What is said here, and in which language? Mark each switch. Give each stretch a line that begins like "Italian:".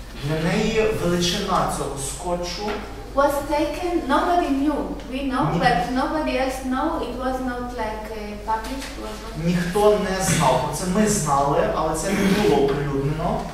Ukrainian: Для неї величина цього скотчу.
English: Was taken, nobody knew, we know, but nobody else knew, it was not like published, it was not.
Ukrainian: Ніхто не знав, це ми знали, але це не було оприлюднено.